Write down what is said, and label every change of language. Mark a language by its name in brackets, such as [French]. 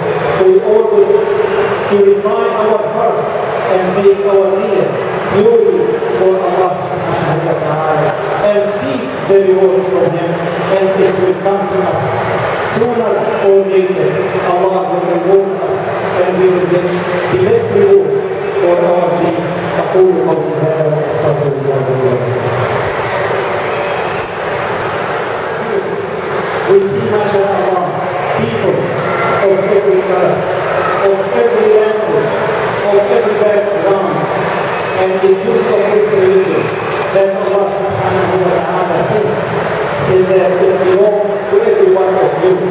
[English] So we always purify our hearts and make our niyyah purely for Allah subhanahu wa ta'ala and seek the rewards from Him, and it will come to us sooner or later. Allah will reward us and we will get the best rewards for our deeds. [Arabic] أقول قولي هذا وأستغفر الله لي ولكم. [English] We see, mashallah, people of every color, of every language, of every background, and the use of this religion that Allah subhanahu wa ta'ala said is that it belongs to every one of you.